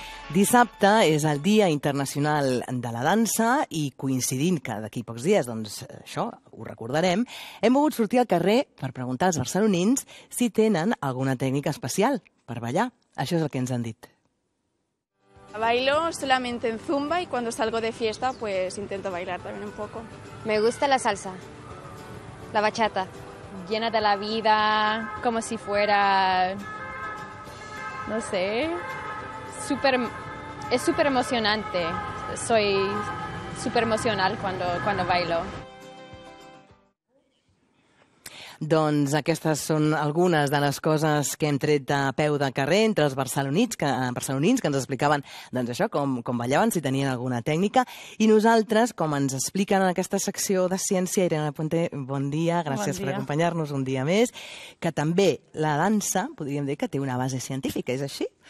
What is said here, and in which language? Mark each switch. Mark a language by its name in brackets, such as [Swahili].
[Catalan] Dissabte és el Dia Internacional de la Dansa i coincidint que d'aquí pocs dies, doncs això ho recordarem, hem volgut sortir al carrer per preguntar als barcelonins si tenen alguna tècnica especial per ballar. Això és el que ens han dit. [Spanish] Bailo solamente en zumba y cuando salgo de fiesta pues intento bailar también un poco. Me gusta la salsa, la bachata, llena de la vida, como si fuera, no sé... Es súper emocionante. Soy súper emocional cuando bailo. [Catalan] Doncs aquestes són algunes de les coses que hem tret a peu de carrer entre els barcelonins que ens explicaven doncs això, com ballaven, si tenien alguna tècnica. I nosaltres, com ens expliquen en aquesta secció de ciència, Irene Puente, bon dia, gràcies per acompanyar-nos un dia més, que també la dansa, podríem dir, que té una base científica, és així?